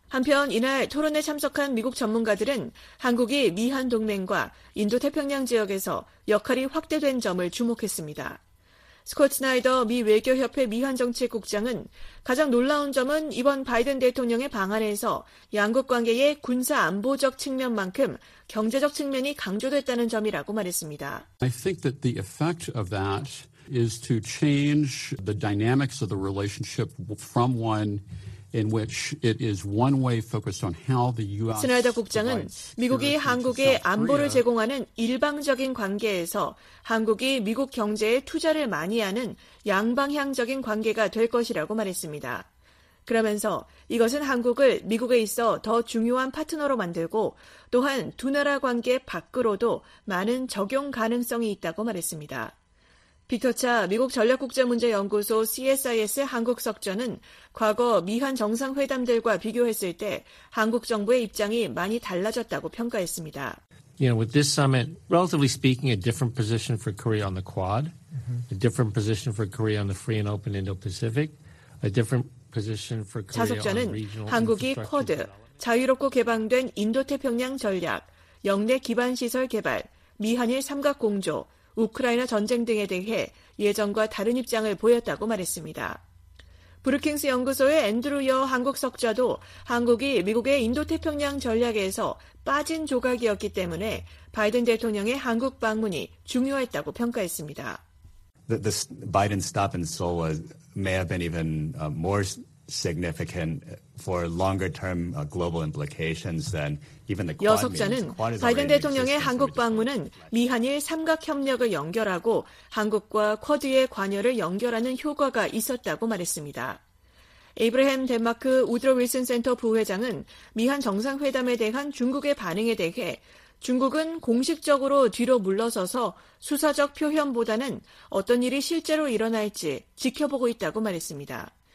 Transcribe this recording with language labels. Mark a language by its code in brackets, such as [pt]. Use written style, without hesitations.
[ko] 한편 이날 토론에 참석한 미국 전문가들은 한국이 미한 동맹과 인도태평양 지역에서 역할이 확대된 점을 주목했습니다. 스콧 스나이더 미 외교협회 미한정책국장은 가장 놀라운 점은 이번 바이든 대통령의 방한에서 양국 관계의 군사 안보적 측면만큼 경제적 측면이 강조됐다는 점이라고 말했습니다. [en] I think that the effect of that is to change the dynamics of the relationship from one in which it is one way focused on how the U.S. [ko] 스나이더 국장은 미국이 한국에 안보를 제공하는 일방적인 관계에서 한국이 미국 경제에 투자를 많이 하는 양방향적인 관계가 될 것이라고 말했습니다. 그러면서 이것은 한국을 미국에 있어 더 중요한 파트너로 만들고 또한 두 나라 관계 밖으로도 많은 적용 가능성이 있다고 말했습니다. 피터 차 미국 전략국제문제연구소 CSIS의 한국 석좌는 과거 미한 정상회담들과 비교했을 때 한국 정부의 입장이 많이 달라졌다고 평가했습니다. [en] You know, with this summit, relatively speaking, a different position for Korea on the Quad, a different position for Korea on the Free and Open Indo-Pacific, a different position for Korea on regional infrastructure. [ko] 한국이 쿼드, 자유롭고 개방된 인도태평양 전략, 역내 기반 시설 개발, 미한일 삼각 공조, 우크라이나 전쟁 등에 대해 예전과 다른 입장을 보였다고 말했습니다. 브루킹스 연구소의 앤드루 여 한국 석좌도 한국이 미국의 인도태평양 전략에서 빠진 조각이었기 때문에 바이든 대통령의 한국 방문이 중요했다고 평가했습니다. [en] The Biden stop in Seoul may have been even more significant for longer-term global implications than even the Quad. [ko] 여 석좌는 바이든 대통령의 한국 방문은 미한일 삼각협력을 연결하고 한국과 쿼드의 관여를 연결하는 효과가 있었다고 말했습니다. 에이브라햄 덴마크 우드로 윌슨 센터 부회장은 미한 정상회담에 대한 중국의 반응에 대해 중국은 공식적으로 뒤로 물러서서 수사적 표현보다는 어떤 일이 실제로 일어날지 지켜보고 있다고 말했습니다.